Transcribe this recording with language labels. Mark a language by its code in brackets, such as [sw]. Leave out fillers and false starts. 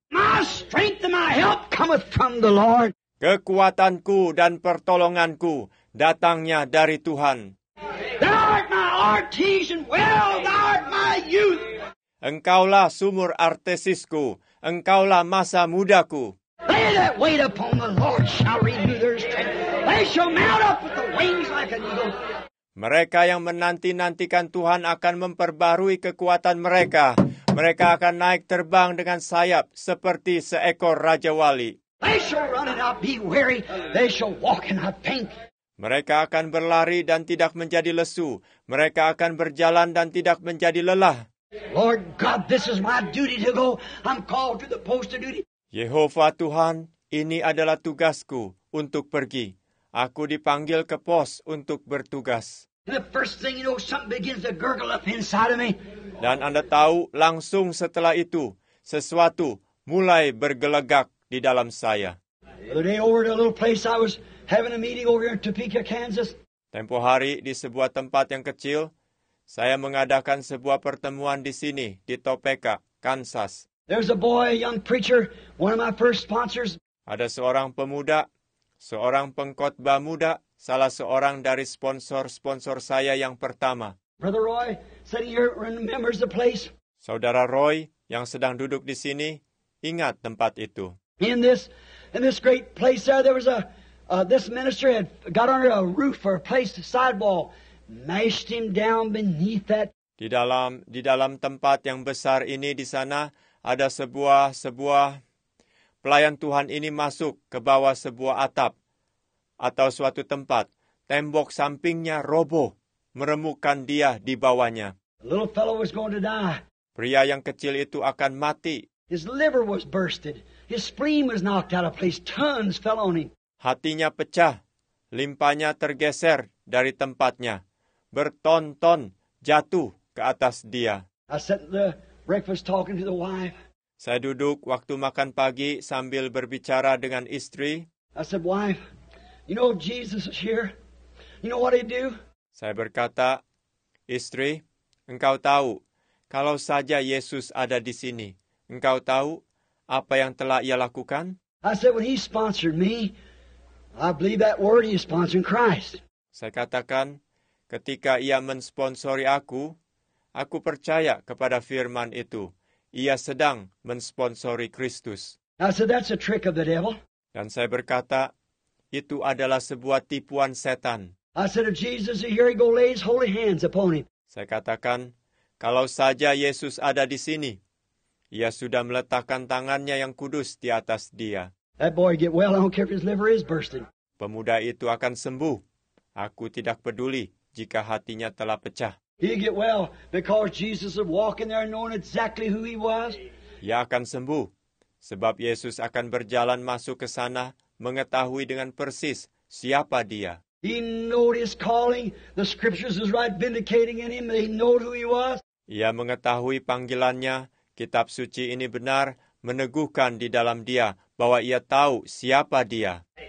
[en] My strength and my help cometh from the Lord. [id] Kekuatanku dan pertolonganku datangnya dari Tuhan. [en] Thou art my artesian well, Thou art my youth. [id] Engkaulah sumur artesisku, Engkaulah masa mudaku. [en] They that wait upon the Lord shall renew their strength. They shall mount up with the wings like an eagle. [id] Mereka yang menanti-nantikan Tuhan akan memperbarui kekuatan mereka. Mereka akan naik terbang dengan sayap seperti seekor raja wali. [en] They shall run and not be weary. They shall walk and not faint. [id] Mereka akan berlari dan tidak menjadi lesu. Mereka akan berjalan dan tidak menjadi lelah. [en] Lord God, this is my duty to go. I'm called to the post of duty. [id] Yehova Tuhan, ini adalah tugasku untuk pergi. Aku dipanggil ke pos untuk bertugas. [en] The first thing you know, something begins to gurgle up inside of me. [id] Dan Anda tahu, langsung setelah itu, sesuatu mulai bergelegak di dalam saya. [en] The day over to a little place I was having a meeting over in Topeka, Kansas. [id] Tempo hari di sebuah tempat yang kecil, saya mengadakan sebuah pertemuan di sini, di Topeka, Kansas. [en] There's a boy, a young preacher, one of my first sponsors. [id] Ada seorang pemuda, seorang pengkhotbah muda, salah seorang dari sponsor-sponsor saya yang pertama. [en] Brother Roy, sitting here, remembers the place. [id] Saudara Roy, yang sedang duduk di sini, ingat tempat itu. [en] In this great place there was a this minister had got under a roof or a place sidewall, mashed him down beneath that. [id] Di dalam tempat yang besar ini di sana ada sebuah pelayan Tuhan ini masuk ke bawah sebuah atap atau suatu tempat, tembok sampingnya roboh, meremukkan dia di bawahnya. [en] The little fellow was going to die. [id] Pria yang kecil itu akan mati. [en] His liver was bursted. His spleen was knocked out of place. Tons fell on him. [id] Hatinya pecah, limpanya tergeser dari tempatnya, berton-ton jatuh ke atas dia. [en] I sat the breakfast talking to the wife. [id] Saya duduk waktu makan pagi sambil berbicara dengan istri. [en] I said, wife, you know if Jesus is here, you know what he'd do? [id] Saya berkata, istri, engkau tahu, kalau saja Yesus ada di sini, engkau tahu apa yang telah ia lakukan? [en] I said, when he sponsored me, I believe that word he is sponsoring Christ. [id] Saya katakan, ketika ia mensponsori aku percaya kepada firman itu. Ia sedang mensponsori Kristus. [en] I said, that's a trick of the devil. [id] Dan saya berkata, itu adalah sebuah tipuan setan. [en] I said, if Jesus is here, he go lay his holy hands upon him. [id] Saya katakan, kalau saja Yesus ada di sini, ia sudah meletakkan tangannya yang kudus di atas dia. [en] That boy get well, I don't care if his liver is bursting. [id] Pemuda itu akan sembuh. Aku tidak peduli jika hatinya telah pecah. [en] He get well because Jesus would walk in there and know exactly who he was. [id] Ia akan sembuh sebab Yesus akan berjalan masuk ke sana mengetahui dengan persis siapa dia. [en] He knew his calling. The scriptures is right vindicating in him. He knew who he was. [id] Ia mengetahui panggilannya. Kitab suci ini benar meneguhkan di dalam dia bahwa ia tahu siapa dia.